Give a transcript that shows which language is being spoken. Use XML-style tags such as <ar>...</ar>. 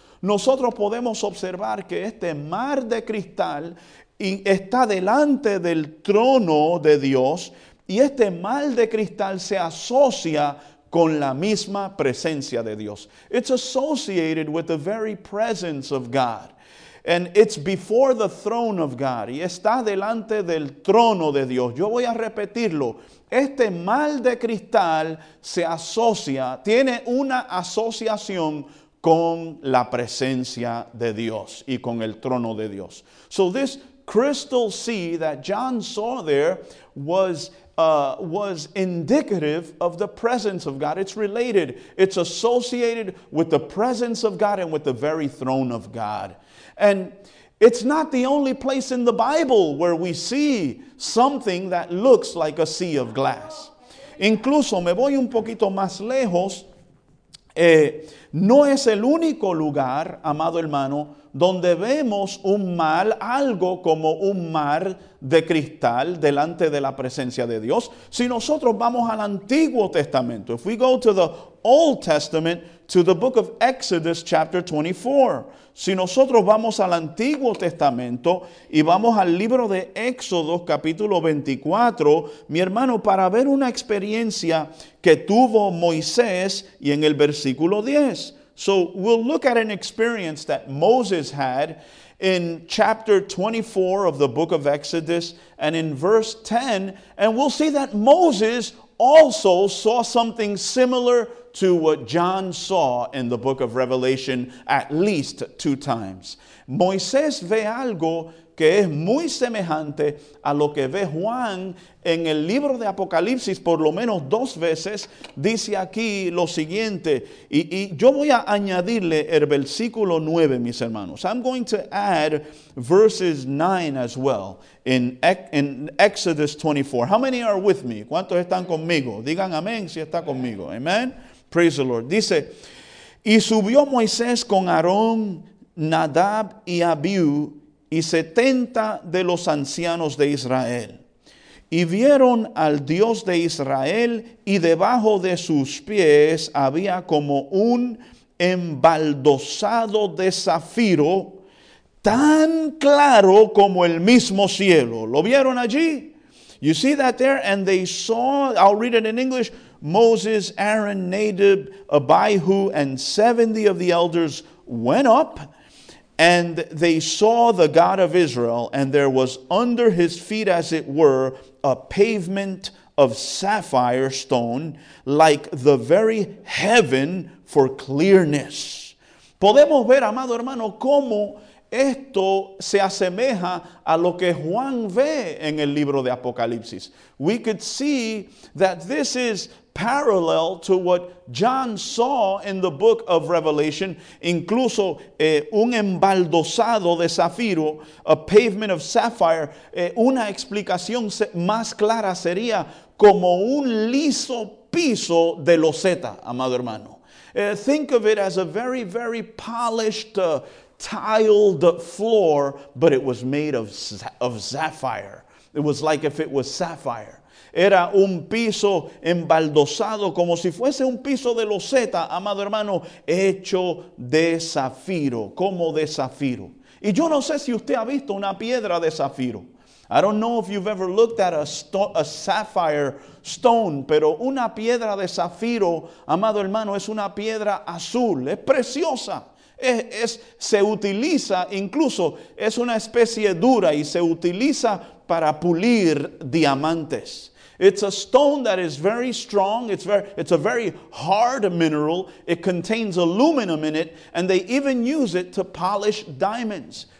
<es>Nosotros podemos observar que este mar de cristal está delante del trono de Dios, y este mar de cristal se asocia con la misma presencia de Dios.</es> <en>It's associated with the very presence of God. And it's before the throne of God.</en> <es>Y está delante del trono de Dios. Yo voy a repetirlo. Este mal de cristal se asocia, tiene una asociación con la presencia de Dios y con el trono de Dios.</es> <en>So this crystal sea that John saw there was indicative of the presence of God. It's related. It's associated with the presence of God and with the very throne of God. And it's not the only place in the Bible where we see something that looks like a sea of glass.</en> <es>Incluso me voy un poquito más lejos. No es el único lugar, amado hermano, donde vemos un mar, algo como un mar de cristal delante de la presencia de Dios. Si nosotros vamos al Antiguo Testamento,</es> <en>if we go to the Old Testament, to the book of Exodus chapter 24.</en> <es>Si nosotros vamos al Antiguo Testamento y vamos al libro de Éxodo capítulo 24, mi hermano, para ver una experiencia que tuvo Moisés y en el versículo 10.</es> <en>So we'll look at an experience that Moses had in chapter 24 of the book of Exodus and in verse 10, and we'll see that Moses also saw something similar to what John saw in the book of Revelation at least two times.</en> <es>Moisés ve algo que es muy semejante a lo que ve Juan en el libro de Apocalipsis por lo menos dos veces. Dice aquí lo siguiente, y yo voy a añadirle el versículo 9, mis hermanos.</es> <en>I'm going to add verses 9 as well in Exodus 24. How many are with me?</en> <es>¿Cuántos están conmigo? Digan amén si está conmigo.</es> <en>Amen. Praise the Lord.</en> <es>Dice, y subió Moisés con Aarón, Nadab y Abiú y 70 de los ancianos de Israel. Y vieron al Dios de Israel y debajo de sus pies había como un embaldosado de zafiro tan claro como el mismo cielo. ¿Lo vieron allí?</es> <en>You see that there? And they saw, I'll read it in English. Moses, Aaron, Nadab, Abihu, and 70 of the elders went up, and they saw the God of Israel, and there was under his feet, as it were, a pavement of sapphire stone, like the very heaven for clearness.</en> <es>Podemos ver, amado hermano, cómo esto se asemeja a lo que Juan ve en el libro de Apocalipsis.</es> <en>We could see that this is parallel to what John saw in the book of Revelation,</en> <es>incluso un embaldosado de zafiro,</es> <en>a pavement of sapphire.</en> <es>Una explicación más clara sería como un liso piso de loseta, amado hermano.</es> <en>Think of it as a very, very polished tiled floor, but it was made of sapphire. It was like if it was sapphire.</en> <es>Era un piso embaldosado, como si fuese un piso de loseta, amado hermano, hecho de zafiro, como de zafiro. Y yo no sé si usted ha visto una piedra de zafiro.</es> <en>I don't know if you've ever looked at a sapphire stone,</en> <es>pero una piedra de zafiro, amado hermano, es una piedra azul, es preciosa. Se utiliza, incluso, es una especie dura y se utiliza para pulir diamantes.</es> <en>It's a stone that is very strong. It's a very hard mineral. It contains aluminum in it, and they even use it to polish diamonds.</en>